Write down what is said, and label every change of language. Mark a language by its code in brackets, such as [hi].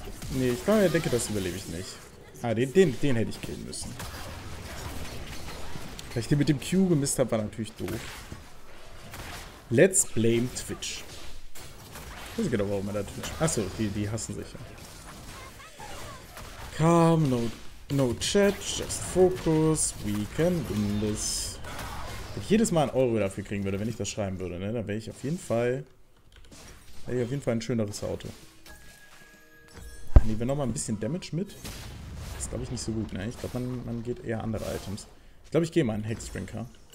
[de] Nee, ich glaube, ich denke, das überlebe ich nicht. Ah, den hätte ich killen müssen. Weil ich den mit dem Q gemisst habe, war natürlich doof. [en] Let's blame Twitch. [de] Ich weiß genau, warum man da Twitch. Achso, die hassen sich ja. [en] Calm, no chat, just focus, we can win this. [de] Wenn ich jedes Mal ein Euro dafür kriegen würde, wenn ich das schreiben würde, ne, dann wäre ich auf jeden Fall. Hätte ich auf jeden Fall ein schöneres Auto. Nehmen wir nochmal ein bisschen Damage mit. Das ist, glaube ich, nicht so gut, ne? Ich glaube, man geht eher andere Items. Ich glaube, ich gehe mal einen Hexdrinker.